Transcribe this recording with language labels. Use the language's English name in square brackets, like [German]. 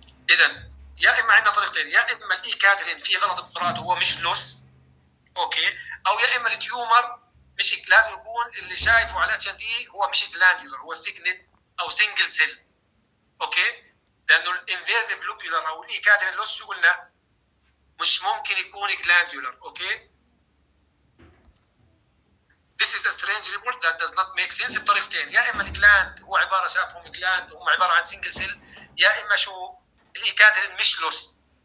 [Arabic] اذا يا إما عندنا طريقتين، يا إما الإي كادرين فيه غلط بقراءة هو مش لوس أوكي، أو يا إما التيومر مش لازم يكون اللي شايفه على اتش ان دي هو مش جلانديولر، هو سيجنت أو سينجل سيل أوكي. لأنه الانفيزيف لوبيولر أو الإي كادرين لوس قلنا مش ممكن يكون جلانديولر أوكي. [English] This is a strange report that does not make sense. [Arabic] بطريقتين، يا إما الجلاند هو عبارة شافهم جلاند هم عبارة عن سينجل سيل، يا إما شو اللي كادر مش لوس.